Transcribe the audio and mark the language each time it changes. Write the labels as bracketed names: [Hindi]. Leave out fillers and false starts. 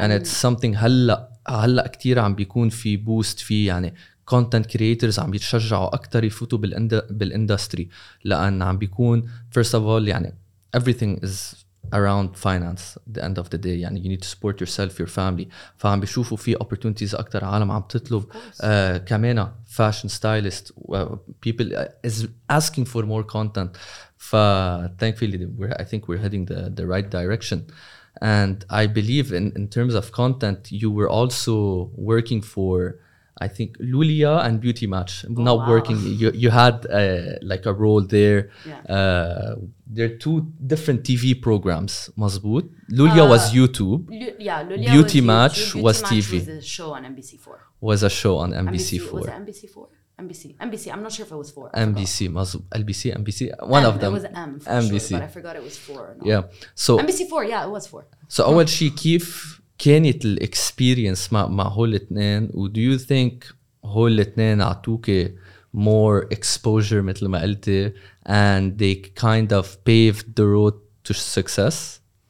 [English] and it's something [Arabic] هلا كتير عم بيكون في [English] boost [Arabic] في يعني [English] content creators [Arabic] عم بيتشجعوا أكتر يفوتوا [English] بالindustry [Arabic] لأن عم بيكون [English] first of all [Arabic] يعني [English] everything is around finance at the end of the day. [Arabic] يعني [English] you need to support yourself, your family. [Arabic] فعم بيشوفوا في opportunities أكتر عالم عم تطلب كمان fashion stylist. [English] People is asking for more content. Thankfully, I think we're heading the right direction. And I believe in terms of content, you were also working for, I think, Lulia and Beauty Match. Working. You had like a role there. Yeah. There are two different TV programs, [Arabic] مزبوط. [English] Lulia was YouTube. Lulia Beauty was Match YouTube. Was TV. Beauty Match was a show on NBC4. Was a show on NBC4. Was it NBC4? NBC. I'm not sure if it was 4. NBC, [Arabic] مزبوط. [English] LBC, NBC. One M, of them. It was M for NBC. Sure, but I forgot it was 4 or not. Yeah. So, NBC4, yeah, it was 4. So, [Arabic] أول شي, كيف كانت الإكسبيرينس مع هول اتنين؟ [English] ودو you think [Arabic] هول اتنين عطوك [English] more exposure [Arabic] مثل ما قلتي [English] and they kind of paved the road to success?